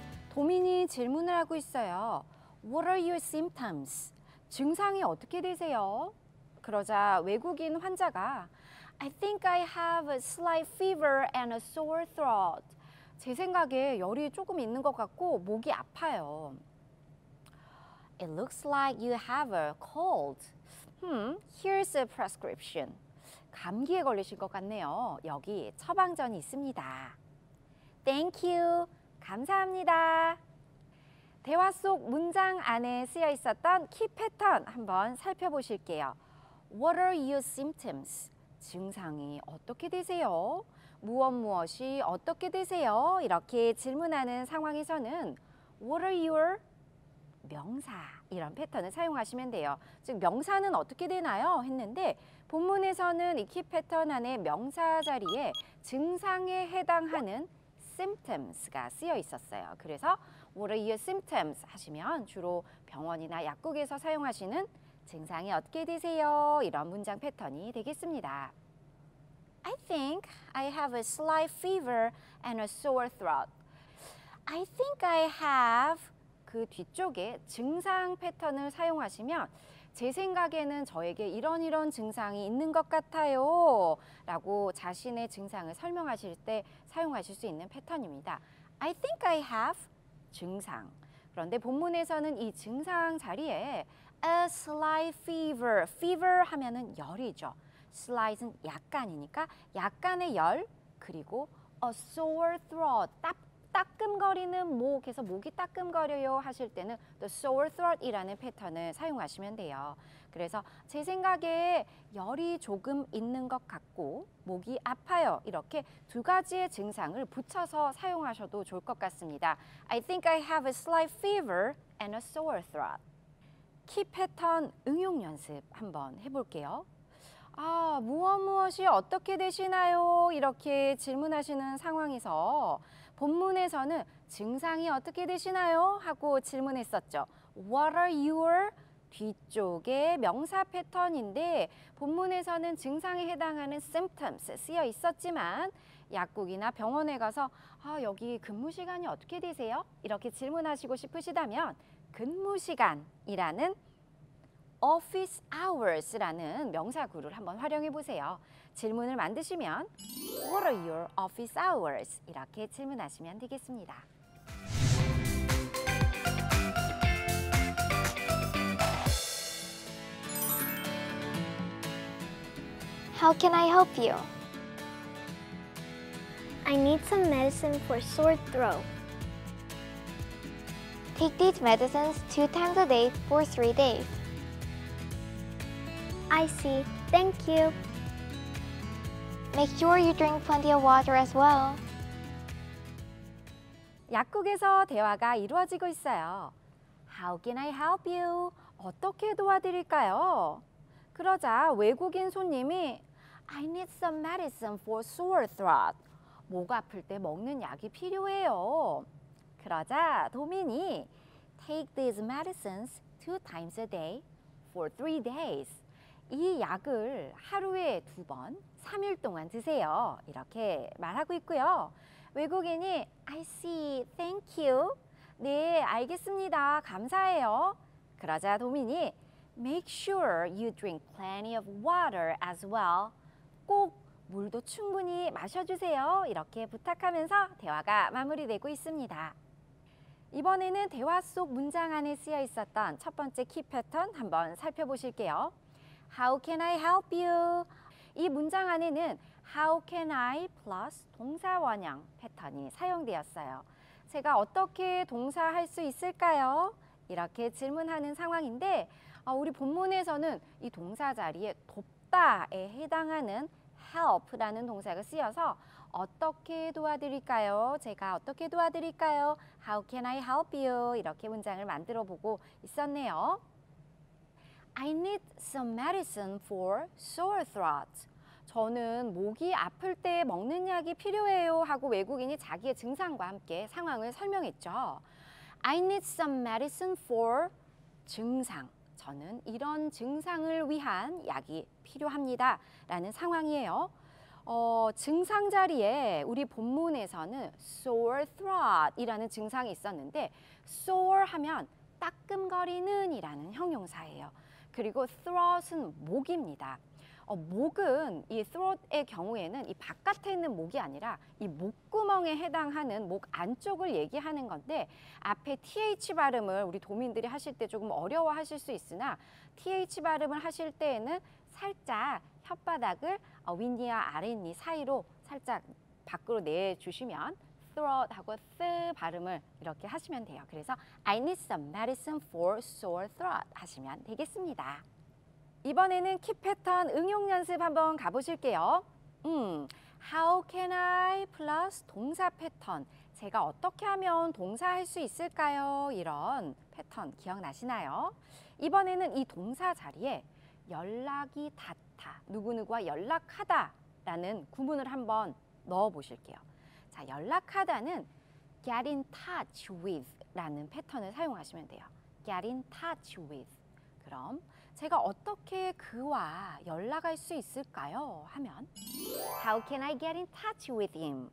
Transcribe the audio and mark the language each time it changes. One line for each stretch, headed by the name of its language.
Korean: 도민이 질문을 하고 있어요.
English: What are your symptoms?
Korean: 증상이 어떻게 되세요? 그러자 외국인 환자가
English: I think I have a slight fever and a sore throat.
Korean: 제 생각에 열이 조금 있는 것 같고 목이 아파요.
English: It looks like you have a cold. Here's a prescription.
Korean: 감기에 걸리신 것 같네요. 여기 처방전이 있습니다.
English: Thank you.
Korean: 감사합니다. 대화 속 문장 안에 쓰여 있었던 키 패턴 한번 살펴보실게요.
English: What are your symptoms?
Korean: 증상이 어떻게 되세요? 무엇 무엇이 어떻게 되세요? 이렇게 질문하는 상황에서는
English: What are your
Korean: 명사 이런 패턴을 사용하시면 돼요. 즉 명사는 어떻게 되나요? 했는데 본문에서는 이 키 패턴 안에 명사 자리에 증상에 해당하는 symptoms가 쓰여 있었어요.
English: 그래서 What are your symptoms?
Korean: 하시면 주로 병원이나 약국에서 사용하시는 증상이 어떻게 되세요? 이런 문장 패턴이 되겠습니다.
English: I think I have a slight fever and a sore throat. I think I have
Korean: 그 뒤쪽에 증상 패턴을 사용하시면 제 생각에는 저에게 이런 이런 증상이 있는 것 같아요 라고 자신의 증상을 설명하실 때 사용하실 수 있는 패턴입니다.
English: I think I have 증상.
Korean: 그런데 본문에서는 이 증상 자리에
English: a slight fever.
Korean: fever 하면은 열이죠. slight은 약간이니까 약간의 열 그리고 a sore throat. 따끔거리는 목, 해서 목이 따끔거려요 하실 때는 the sore throat이라는 패턴을 사용하시면 돼요. 그래서 제 생각에 열이 조금 있는 것 같고 목이 아파요. 이렇게 두 가지의 증상을 붙여서 사용하셔도 좋을 것 같습니다.
English: I think I have a slight fever and a sore throat.
Korean: 키 패턴 응용 연습 한번 해볼게요. 아, 무엇 무엇이 어떻게 되시나요? 이렇게 질문하시는 상황에서 본문에서는 증상이 어떻게 되시나요? 하고 질문했었죠.
English: What are your
Korean: 뒤쪽에 명사 패턴인데 본문에서는 증상에 해당하는 symptoms 쓰여 있었지만 약국이나 병원에 가서 아, 여기 근무 시간이 어떻게 되세요? 이렇게 질문하시고 싶으시다면 근무 시간이라는 office hours라는 명사구를 한번 활용해 보세요. 질문을 만드시면
English: What are your office hours?
Korean: 이렇게 질문하시면 되겠습니다.
English: How can I help you? I need some medicine for sore throat. Take these medicines 2 times a day for 3 days. I see. Thank you. Make sure you drink plenty of water as well.
Korean: 약국에서 대화가 이루어지고 있어요.
English: How can I help you?
Korean: 어떻게 도와드릴까요? 그러자 외국인 손님이
English: I need some medicine for sore throat.
Korean: 목 아플 때 먹는 약이 필요해요. 그러자 도민이
English: Take these medicines 2 times a day for 3 days.
Korean: 이 약을 하루에 2번, 3일 동안 드세요. 이렇게 말하고 있고요. 외국인이
English: I see, thank you.
Korean: 네, 알겠습니다. 감사해요. 그러자 도민이
English: Make sure you drink plenty of water as well.
Korean: 꼭 물도 충분히 마셔주세요. 이렇게 부탁하면서 대화가 마무리되고 있습니다. 이번에는 대화 속 문장 안에 쓰여 있었던 첫 번째 키 패턴 한번 살펴보실게요.
English: How can I help you?
Korean: 이 문장 안에는
English: How can I
Korean: plus 동사원형 패턴이 사용되었어요. 제가 어떻게 동사할 수 있을까요? 이렇게 질문하는 상황인데 우리 본문에서는 이 동사 자리에 돕다에 해당하는 help라는 동사가 쓰여서 어떻게 도와드릴까요? 제가 어떻게 도와드릴까요?
English: How can I help you?
Korean: 이렇게 문장을 만들어 보고 있었네요.
English: I need some medicine for sore throat.
Korean: 저는 목이 아플 때 먹는 약이 필요해요 하고 외국인이 자기의 증상과 함께 상황을 설명했죠.
English: I need some medicine for 증상.
Korean: 저는 이런 증상을 위한 약이 필요합니다. 라는 상황이에요. 증상 자리에 우리 본문에서는 sore throat 이라는 증상이 있었는데 sore 하면 따끔거리는 이라는 형용사예요. 그리고 throat은 목입니다. 목은 이 throat의 경우에는 이 바깥에 있는 목이 아니라 이 목구멍에 해당하는 목 안쪽을 얘기하는 건데 앞에 th 발음을 우리 도민들이 하실 때 조금 어려워하실 수 있으나 th 발음을 하실 때에는 살짝 혓바닥을 윗니와 아랫니 사이로 살짝 밖으로 내주시면 throat하고 th 발음을 이렇게 하시면 돼요.
English: 그래서 I need some medicine for sore throat
Korean: 하시면 되겠습니다. 이번에는 키 패턴 응용 연습 한번 가보실게요.
English: How can I plus
Korean: 동사 패턴. 제가 어떻게 하면 동사할 수 있을까요? 이런 패턴 기억나시나요? 이번에는 이 동사 자리에 연락이 닿다, 누구누구와 연락하다 라는 구문을 한번 넣어보실게요. 자, 연락하다는
English: get in touch with
Korean: 라는 패턴을 사용하시면 돼요. get in touch with. 그럼 제가 어떻게 그와 연락할 수 있을까요? 하면
English: How can I get in touch with him?